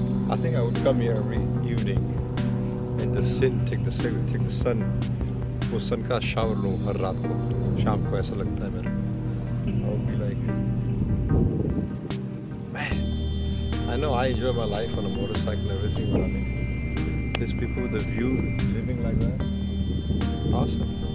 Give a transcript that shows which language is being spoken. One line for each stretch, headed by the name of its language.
English: I think I would come here every evening and just sit, take the cigarette, take the sun.
Hindi: वो सन का shower लो हर रात को शाम को ऐसा लगता है मेरा.
English: I would be like, man. I know I enjoy my life on a motorcycle and everything, but I mean, these people with the view, living like that, awesome.